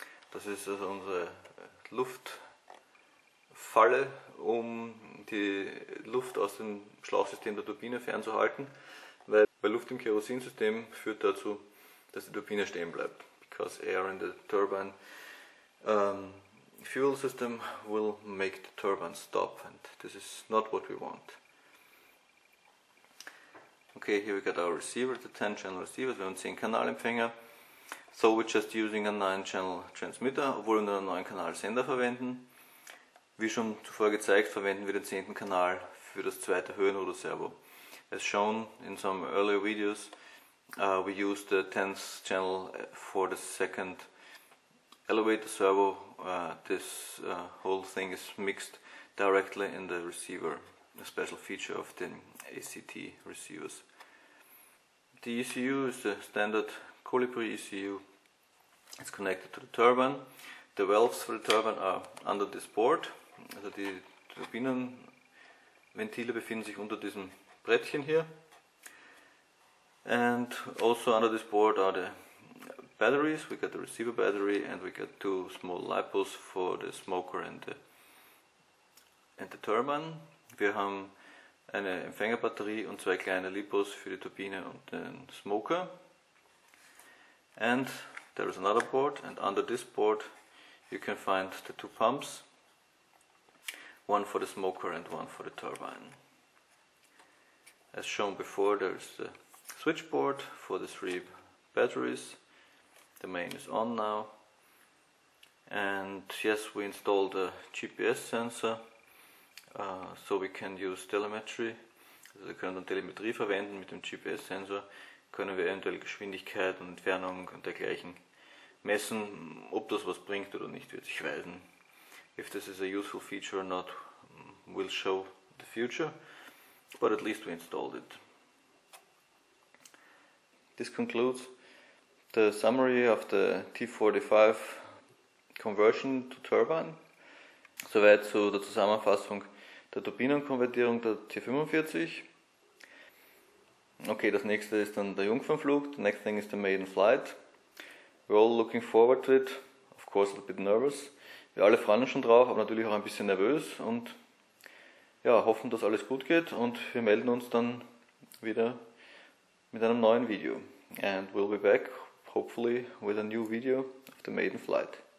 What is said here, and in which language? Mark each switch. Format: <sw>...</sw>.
<de>Das ist also unsere Luftfalle, um die Luft aus dem Schlauchsystem der Turbine fernzuhalten, weil bei Luft im Kerosinsystem führt dazu, dass die Turbine stehen bleibt.</de> <en>Because air in the turbine fuel system will make the turbine stop, and this is not what we want. Okay, here we got our receiver, the 10-channel receiver,</en> <de>wir haben 10-Kanalempfänger.</de> <en>So we're just using a 9-channel transmitter,</en> <de>obwohl wir nur einen 9-Kanal-Sender verwenden. Wie schon zuvor gezeigt, verwenden wir den 10. Kanal für das zweite Höhenruder-Servo.</de> <en>As shown in some earlier videos, we use the 10th channel for the second elevator servo. This whole thing is mixed directly in the receiver, a special feature of the ACT receivers. The ECU is the standard Kolibri ECU. It's connected to the turbine. The valves for the turbine are under this board.</en> <de>Also die Turbinenventile befinden sich unter diesem Brettchen hier.</de> <en>And also under this board are the batteries. We got the receiver battery and we got two small lipos for the smoker and the turbine.</en> <de>Wir haben eine Empfängerbatterie und zwei kleine Lipos für die Turbine und den Smoker.</de> <en>And there is another board, and under this board you can find the two pumps, one for the smoker and one for the turbine. As shown before, there is the switchboard for the three batteries. The main is on now. And yes, we installed a GPS sensor, so we can use telemetry.</en> <de>Also wir können dann Telemetrie verwenden mit dem GPS sensor. Können wir eventuell Geschwindigkeit und Entfernung und dergleichen messen. Ob das was bringt oder nicht, wird sich weisen.</de> <en>If this is a useful feature or not, we'll show the future. But at least we installed it. This concludes the summary of the T-45 conversion to turbine.</en> <de>Soweit zu der Zusammenfassung der Turbinenkonvertierung der T-45. Okay, das nächste ist dann der Jungfernflug.</de> <en>The next thing is the maiden flight. We're all looking forward to it. Of course, a little bit nervous.</en> <de>Wir alle freuen uns schon drauf, aber natürlich auch ein bisschen nervös und ja, hoffen, dass alles gut geht und wir melden uns dann wieder mit einem neuen Video.</de> <en>And we'll be back, hopefully, with a new video of the maiden flight.</en>